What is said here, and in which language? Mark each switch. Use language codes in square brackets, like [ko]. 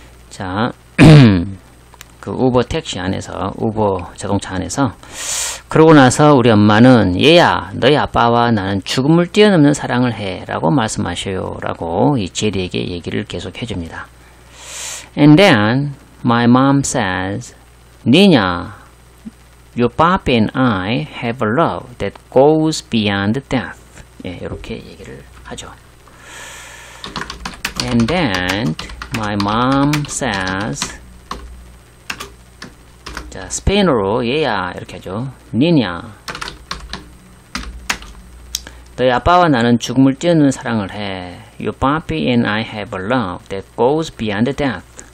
[ko] 자, 그 우버 택시 안에서 우버 자동차 안에서 그러고 나서 우리 엄마는 얘야 너희 아빠와 나는 죽음을 뛰어넘는 사랑을 해 라고 말씀하셔요 라고 이 제리에게 얘기를 계속 해줍니다. [en] And then my mom says 니냐 your papa and I have a love that goes beyond death. [ko] 예, 이렇게 얘기를 하죠. [en] And then my mom says 자, [ko] 스페인어로 얘야 이렇게 하죠. 니냐 너희 아빠와 나는 죽음을 뛰어넘는 사랑을 해. [en] Your papi and I have a love that goes beyond death.